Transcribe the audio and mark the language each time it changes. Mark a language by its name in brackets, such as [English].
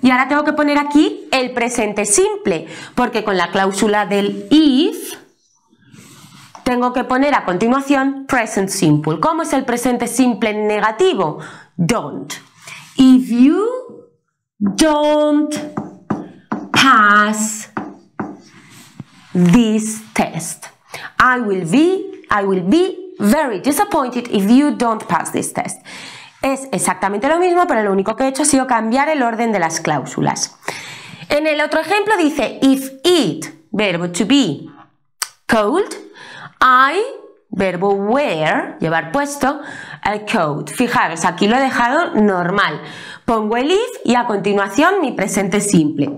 [Spanish] Y ahora tengo que poner aquí el presente simple, porque con la cláusula del if, tengo que poner a continuación present simple. ¿Cómo es el presente simple en negativo? [English] Don't. If you don't pass this test, I will be very disappointed if you don't pass this test. [Spanish] Es exactamente lo mismo, pero lo único que he hecho ha sido cambiar el orden de las cláusulas. En el otro ejemplo dice, [English] if it, [Spanish] verbo [English] to be, cold, I, [Spanish] verbo [English] wear, [Spanish] llevar puesto, [English] a coat. [Spanish] Fijaros, aquí lo he dejado normal. Pongo el if y a continuación mi presente simple.